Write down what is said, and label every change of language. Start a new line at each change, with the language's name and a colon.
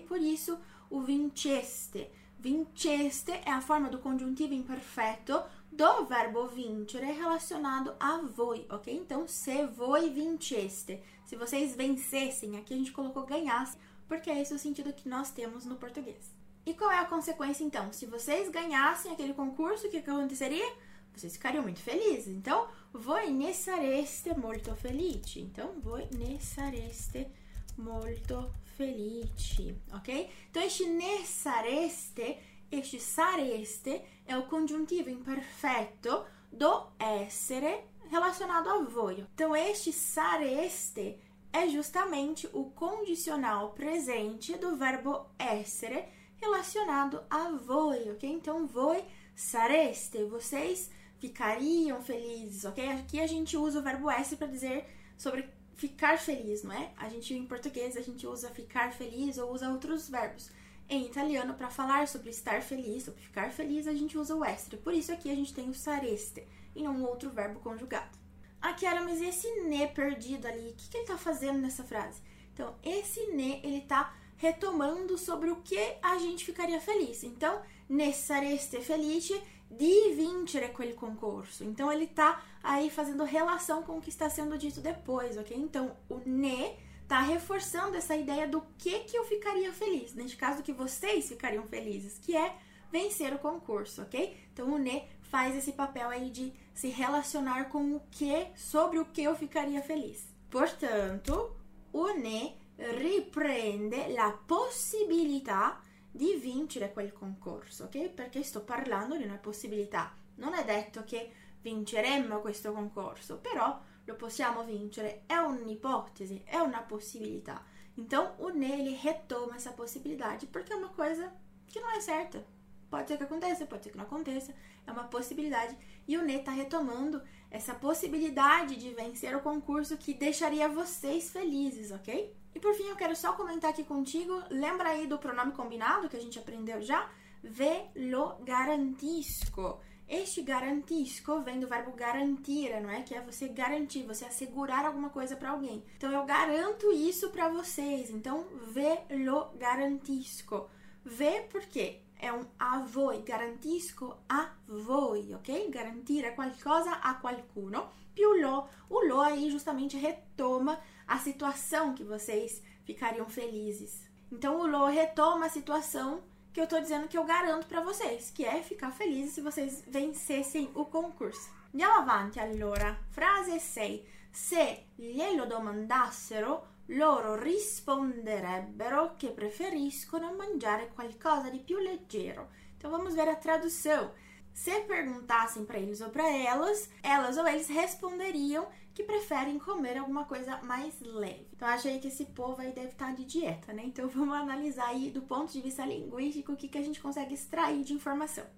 Portuguese: Por isso, o vinceste. Vinceste é a forma do congiuntivo imperfeito do verbo vincere relacionado a voi, ok? Então,
Italian: se voi vinceste,
Portuguese: se vocês vencessem, aqui a gente colocou ganhasse, porque é esse o sentido que nós temos no português. E qual é a consequência então? Se vocês ganhassem aquele concurso, o que aconteceria? Vocês ficariam muito felizes.
Italian: Então, voi ne sareste molto felici. Então, voi ne sareste molto felici, ok?
Portuguese: Então, este ne sareste, este sareste é o congiuntivo imperfeito do essere relacionado a voi. Então, este sareste é justamente o condicional presente do verbo essere relacionado a voi, ok? Então,
Italian: voi sareste,
Portuguese: vocês ficariam felizes, ok? Aqui a gente usa o verbo esse para dizer sobre ficar feliz, não é? A gente, em português, a gente usa ficar feliz ou usa outros verbos. Em italiano, para falar sobre estar feliz, sobre ficar feliz, a gente usa o essere. Por isso, aqui a gente tem o sareste e não um outro verbo conjugado. Aqui, era, mas e esse ne perdido ali? O que ele está fazendo nessa frase? Então, esse ne, ele está retomando sobre o que a gente ficaria feliz.
Italian: Então, ne sareste felice di vincere quel concorso.
Portuguese: Então, ele está aí fazendo relação com o que está sendo dito depois, ok? Então, o ne está reforçando essa ideia do que eu ficaria feliz. Neste caso, que vocês ficariam felizes, que é vencer o concurso, ok? Então, o ne faz esse papel aí de se relacionar com o que, sobre o que eu ficaria feliz.
Italian: Portanto, o ne riprende la possibilità di vincere quel concorso, ok? Perché sto parlando di una possibilità. Non è detto che vinceremmo questo concorso, però lo possiamo vincere. È un'ipotesi, è una possibilità.
Portuguese: Então, o ne ele retoma essa possibilidade
Italian: perché è una cosa che non è certa.
Portuguese: Pode ser que aconteça, pode ser que não aconteça. É uma possibilidade. E o Ne está retomando essa possibilidade de vencer o concurso que deixaria vocês felizes, ok? E por fim, eu quero só comentar aqui contigo. Lembra aí do pronome combinado que a gente aprendeu já?
Italian: Ve lo garantisco.
Portuguese: Este garantisco vem do verbo garantire, não é? Que é você garantir, você assegurar alguma coisa para alguém. Então, eu garanto isso para vocês. Então,
Italian: ve lo garantisco.
Portuguese: Ve por quê? É um
Italian: a voi, garantisco a voi, ok? Garantire qualcosa a qualcuno, più lo.
Portuguese: O lo aí justamente retoma a situação que vocês ficariam felizes. Então, o lo retoma a situação que eu estou dizendo que eu garanto para vocês, que é ficar feliz se vocês vencessem o concurso.
Italian: Andiamo avanti, allora. Frase 6. Se glielo domandassero, loro risponderebbero che preferiscono mangiare qualcosa di più leggero.
Portuguese: Então vamos ver a tradução. Se perguntassem para eles ou para elas ou eles responderiam que preferem comer alguma coisa mais leve. Então achei que esse povo aí deve estar de dieta, né? Então vamos analisar aí do ponto de vista linguístico o que que a gente consegue extrair de informação.